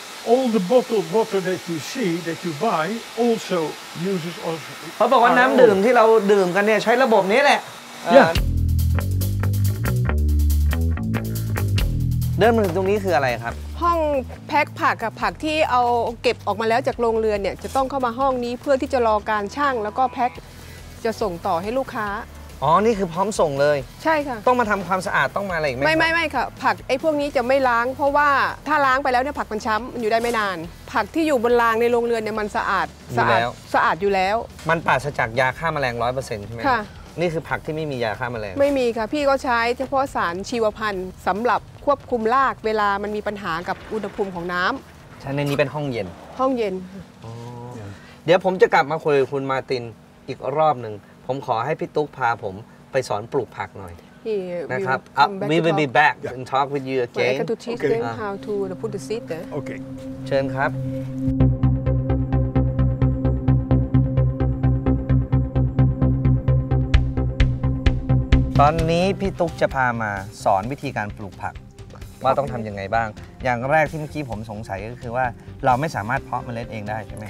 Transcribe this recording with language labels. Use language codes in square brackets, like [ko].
[en] All the bottled water that you see that you buy also uses RO. [th] เขาบอกว่าน้ำดื่มที่เราดื่มกันเนี่ยใช้ระบบนี้แหละ [en] Yeah. [th] เริ่มมาถึงตรงนี้คืออะไรครับ ห้องแพ็คผักกับผักที่เอาเก็บออกมาแล้วจากโรงเรือนเนี่ยจะต้องเข้ามาห้องนี้เพื่อที่จะรอการชั่งแล้วก็แพ็คจะส่งต่อให้ลูกค้า อ๋อนี่คือพร้อมส่งเลย ใช่ค่ะ ต้องมาทำความสะอาดต้องมาอะไรอีก ไหมไม่ค่ะผักไอ้พวกนี้จะไม่ล้างเพราะว่าถ้าล้างไปแล้วเนี่ยผักมันช้ำมันอยู่ได้ไม่นานผักที่อยู่บนรางในโรงเรือนเนี่ยมันสะอาดสะอาดสะอาดอยู่แล้ว มันปราศจากยาฆ่าแมลง 100% ใช่ไหม ค่ะ นี่คือผักที่ไม่มียาฆ่าแมลง ไม่มีค่ะพี่ก็ใช้เฉพาะสารชีวพันธุ์สำหรับควบคุมรากเวลามันมีปัญหากับอุณหภูมิของน้ำ ชั้นในนี้เป็นห้องเย็น ห้องเย็น เดี๋ยวผมจะกลับมาคุยกับคุณมาตินอีกรอบนึงผมขอให้พี่ตุ๊กพาผมไปสอนปลูกผักหน่อยนะครับ [en] We will be back and talk with you again. I got to teach them how to put the seed there. Okay. [th] เชิญครับตอนนี้พี่ตุ๊กจะพามาสอนวิธีการปลูกผักว่าต้องทำยังไงบ้างอย่างแรกที่เมื่อกี้ผมสงสัยก็คือว่าเราไม่สามารถเพาะเมล็ดเองได้ใช่ไหม